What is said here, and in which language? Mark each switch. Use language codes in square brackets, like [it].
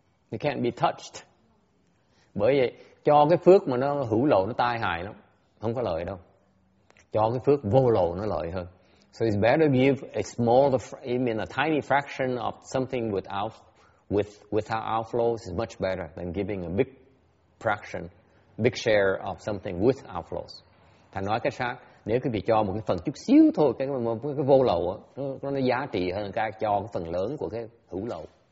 [en] They can't be touched. [vi] Bởi vậy, cho cái phước mà nó hữu lậu nó tai hại lắm, không có lợi đâu. Cho cái phước vô lậu nó lợi hơn. [en] So it's better give a tiny fraction of something without outflows is much better than giving a big fraction, big share of something with outflows. [vi] Thành nói cách khác, nếu quý vị cho một cái phần chút xíu thôi, cái vô lậu đó, nó giá trị hơn cái cho cái phần lớn của cái hữu lậu.